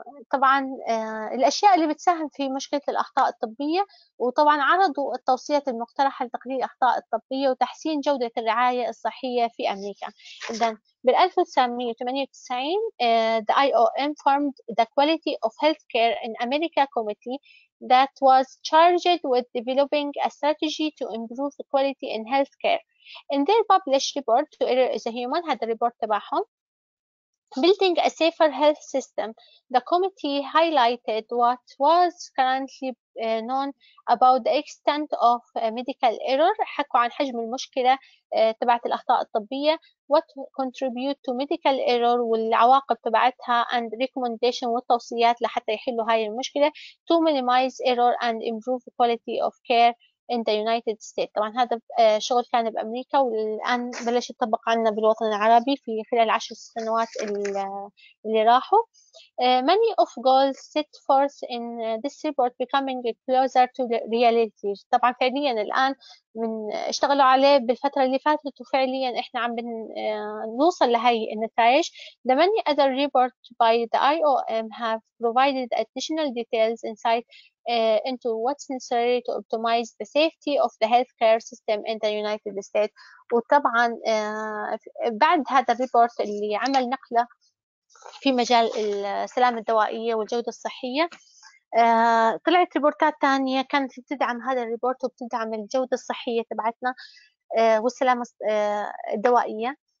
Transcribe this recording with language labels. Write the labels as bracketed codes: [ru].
[ar] طبعا الأشياء اللي بتساهم في مشكلة الأخطاء الطبية، وطبعا عرضوا التوصيات المقترحة لتقليل الأخطاء الطبية وتحسين جودة الرعاية الصحية في أمريكا. إذن بال [en] 1998 the IOM formed the Quality of Healthcare in America Committee that was charged with developing a strategy to improve the quality in healthcare. In their published report to Error is a Human، [ar] هذا الريبورت تبعهم، [en] Building a safer health system, the committee highlighted what was currently known about the extent of medical error. [ar] حكوا عن حجم المشكلة تبعت الأخطاء الطبية، [en] what contribute to medical error [ar] والعواقب تبعتها، [en] and recommendation [ar] والتوصيات لحتى يحلوا هاي المشكلة، [en] to minimize error and improve the quality of care in the United States. [ar] طبعا هذا شغل كان بأمريكا، والآن بلش يتطبق عنا بالوطن العربي في خلال 10 سنوات اللي راحوا. [en] Many of goals set forth in this report becoming closer to the reality. [ar] طبعا فعليا الآن من اشتغلوا عليه بالفترة اللي فاتت، وفعليا احنا عم بنوصل لهي النتائج. [en] The many other reports by the IOM have provided additional details insight into what's necessary to optimize the safety of the healthcare system in the United States. [ar] وطبعا بعد هذا الريبورت اللي عمل نقلة في مجال السلامة الدوائية والجودة الصحية، طلعت ريبورتات تانية كانت بتدعم هذا الريبورت وبتدعم الجودة الصحية تبعتنا والسلامة الدوائية.